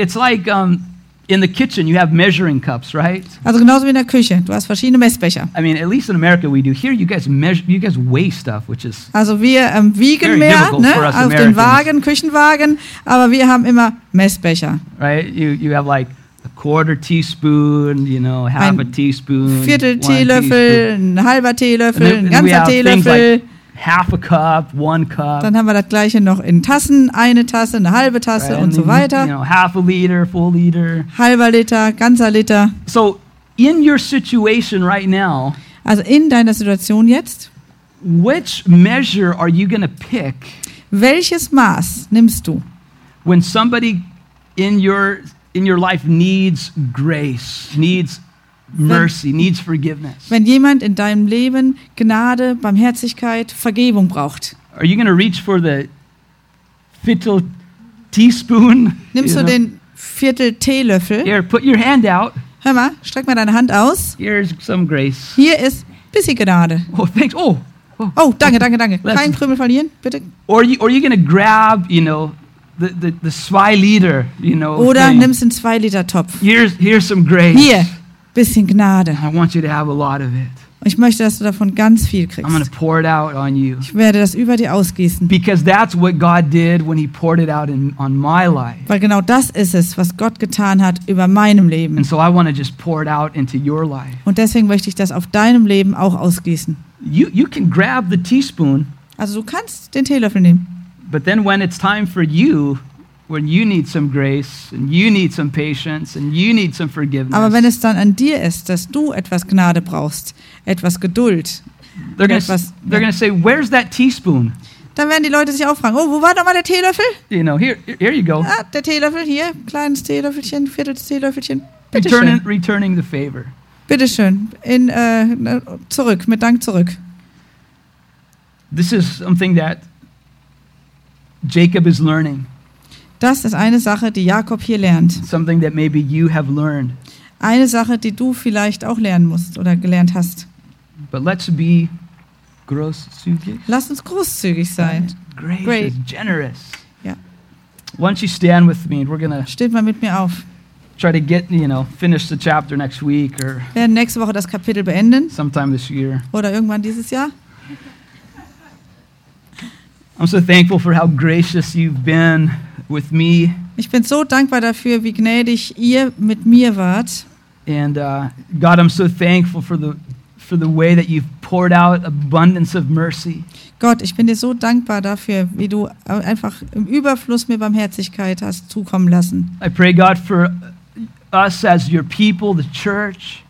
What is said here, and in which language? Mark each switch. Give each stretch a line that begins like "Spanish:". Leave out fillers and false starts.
English: It's like in the kitchen you have measuring cups, right?
German: Also genauso wie in der Küche, du hast verschiedene Messbecher.
English: I mean, at least in America we do. Here you guys weigh stuff, which is
German: also wir wiegen mehr, ne? Auf den Wagen, Küchenwagen, aber wir haben immer Messbecher.
English: Right? You have like a quarter teaspoon, you know, half a teaspoon.
German: Viertel Teelöffel, ein halber Teelöffel, ein ganzer Teelöffel.
English: Half a cup, one cup.
German: Dann haben wir das gleiche noch in Tassen, eine Tasse, eine halbe Tasse, right, und so weiter.
English: You know, half a liter, full liter.
German: Halber Liter, ganzer Liter.
English: So in your situation right now.
German: Also in deiner Situation jetzt.
English: Which measure are you gonna pick?
German: Welches Maß nimmst du?
English: When somebody in your life needs grace, needs mercy, needs forgiveness.
German: Wenn jemand in deinem Leben Gnade, Barmherzigkeit, Vergebung braucht.
English: Are you going to reach for the viertel teaspoon?
German: Nimmst du den viertel Teelöffel?
English: Here, put your hand out.
German: Hör mal, streck mal deine Hand aus.
English: Here's some grace.
German: Hier ist ein bisschen Gnade.
English: Oh, thanks. Oh.
German: Oh, danke. Kein Krümel verlieren, bitte.
English: Or you going to grab, you know, the 2 liter, you know.
German: Oder thing. Nimmst den 2 liter Topf.
English: Here's some grace.
German: Hier. Bisschen Gnade.
English: I want you to have a lot of it.
German: Und ich möchte, dass du davon ganz viel kriegst.
English: I'm going to pour it out on you.
German: Ich werde das über dir ausgießen.
English: Because that's what God did when he poured it out in on my life.
German: Weil genau das ist es, was Gott getan hat über meinem Leben.
English: And so I want to just pour it out into your life.
German: Und deswegen möchte ich das auf deinem Leben auch ausgießen.
English: You can grab the teaspoon.
German: Also du kannst den Teelöffel nehmen.
English: But then when it's time for you, when you need some grace and you need some patience and you need some forgiveness.
German: Aber wenn es dann an dir ist, dass du etwas Gnade brauchst, etwas Geduld.
English: They're going to say, "Where's that teaspoon?"
German: Dann werden die Leute sich auch fragen, "Oh, wo war noch mal der Teelöffel?"
English: You know, here you go.
German: Ah, der Teelöffel hier, kleines Teelöffelchen, viertes Teelöffelchen.
English: Returning the favor.
German: Bitte schön, in zurück mit Dank zurück.
English: This is something that Jacob is learning.
German: Das ist eine Sache, die Jakob hier lernt.
English: Something that maybe you have learned.
German: Eine Sache, die du vielleicht auch lernen musst oder gelernt hast.
English: But let's be großzügig.
German: Lass uns großzügig sein.
English: Great. Generous. Yeah. Why don't you stand with me? We're gonna
German: steht mal mit mir auf.
English: Try to get, you know, finish the chapter next week or
German: wir werden nächste Woche das Kapitel beenden.
English: Sometime this year.
German: Oder irgendwann dieses Jahr.
English: I'm so thankful for how gracious you've been with me.
German: Ich bin so dankbar dafür, wie gnädig ihr mit mir wart.
English: And God, I'm so thankful for the way that you've poured out abundance of mercy.
German: Gott, ich bin dir so dankbar dafür, wie du einfach im Überfluss mir Barmherzigkeit hast zukommen lassen.
English: I pray God for us as your people, the church.